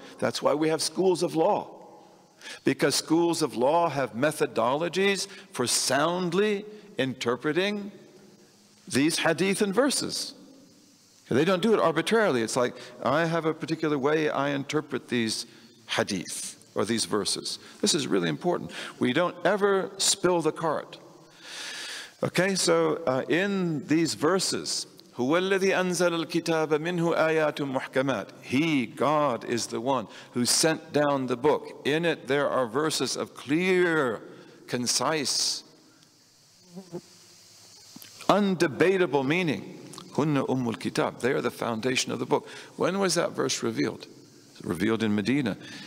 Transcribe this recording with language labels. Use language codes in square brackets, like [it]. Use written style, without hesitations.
[en] That's why we have schools of law. Because schools of law have methodologies for soundly interpreting these hadith and verses. They don't do it arbitrarily. It's like, I have a particular way I interpret these hadith or these verses. This is really important. We don't ever spill the cart. Okay, so in these verses, [ar] هُوَ الَّذِي أَنزَلَ الْكِتَابَ مِنْهُ آيَاتٌ مُحْكَمَاتٌ. [en] He, God, is the one who sent down the book. In it there are verses of clear, concise, undebatable meaning. [ar] هُنَّ أُمُّ الْكِتَابِ. [en] They are the foundation of the book. When was that verse revealed? It's revealed in Medina.